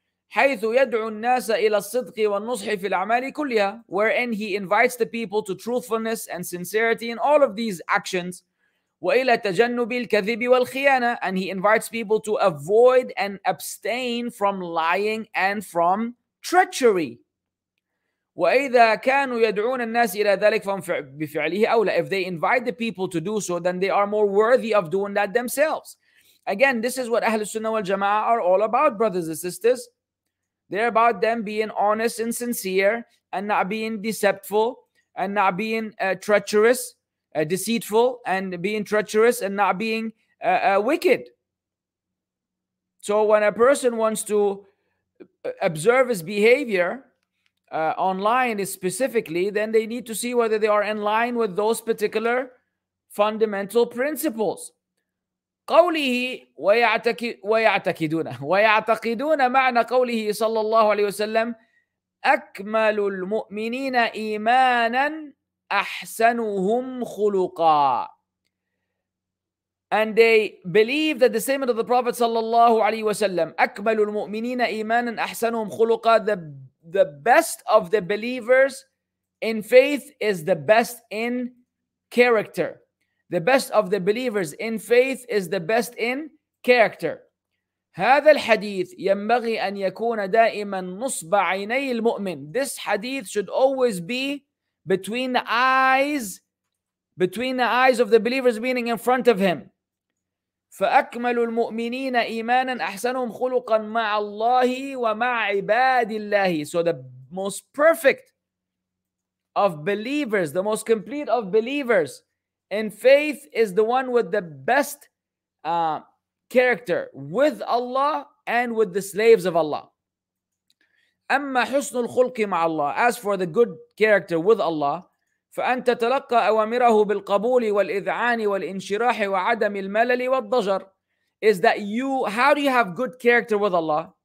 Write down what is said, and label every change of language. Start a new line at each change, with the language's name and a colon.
Arabic: حيث يدعو الناس إلى الصدق والنصح في الأعمال كلها,
English: wherein he invites the people to truthfulness and sincerity in all of these actions.
Arabic: وإلى تجنب الكذب والخيانة,
English: and he invites people to avoid and abstain from lying and from treachery.
Arabic: وإذا كانوا يدعون الناس إلى ذلك فهم بفعله أولى.
English: If they invite the people to do so, then they are more worthy of doing that themselves. Again, this is what Ahl-us-Sunnah wal-Jamaa'ah are all about, brothers and sisters. They're about them being honest and sincere and not being deceitful and not being treacherous, deceitful and being treacherous and not being wicked. So when a person wants to observe his behavior online specifically, then they need to see whether they are in line with those particular fundamental principles.
Arabic: قوله ويعتقدون معنى قوله صلى الله عليه وسلم أكمل المؤمنين إيمانا أحسنهم خلقا.
English: And they believe that the statement of the Prophet صلى الله عليه وسلم
Arabic: أكمل المؤمنين إيمانا أحسنهم خلقا,
English: the best of the believers in faith is the best in character. The best of the believers in faith is the best in character.
Arabic: هذا الحديث ينبغي أن يكون دائما نصب عيني المؤمن.
English: This hadith should always be between the eyes of the believers, meaning in front of him.
Arabic: فأكمل المؤمنين إيمانا أحسنهم خلقا مع الله ومع عباد الله.
English: So the most perfect of believers, the most complete of believers in faith is the one with the best character with Allah and with the slaves of Allah.
Arabic: أما حسن الخلق مع الله,
English: as for the good character with Allah,
Arabic: فأن تتلقى أوامره بالقبول والإذعان والإنشراح وعدم الملل والضجر,
English: is that you, how do you have good character with Allah?